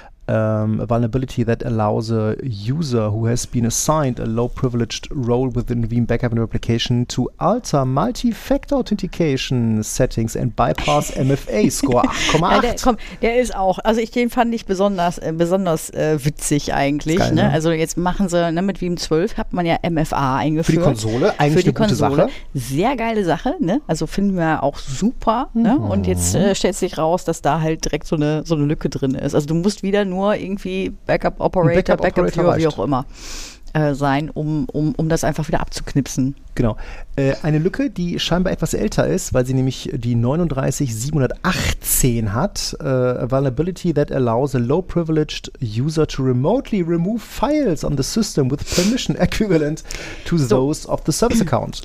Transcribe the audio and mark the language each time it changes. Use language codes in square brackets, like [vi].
[en] Vulnerability that allows a user who has been assigned a low privileged role within Veeam Backup and Replication to alter multi-factor authentication settings and bypass MFA score 8,8. [de] Ja, der ist auch, also den fand ich besonders witzig eigentlich. Geil, ne? Ne? Also jetzt machen sie, ne, mit Veeam 12 hat man ja MFA eingeführt. Für die Konsole, eigentlich die eine gute Konsole. Sache. Sehr geile Sache, ne? Also finden wir auch super. Ne? Und jetzt stellt sich raus, dass da halt direkt so eine Lücke drin ist. Also du musst wieder nur irgendwie Backup-Operator, Backup-Führer, wie auch immer. sein, um das einfach wieder abzuknipsen. Genau. Eine Lücke, die scheinbar etwas älter ist, weil sie nämlich die 39718 hat. [en] Vulnerability that allows a low-privileged user to remotely remove files on the system with permission equivalent to those of the service account.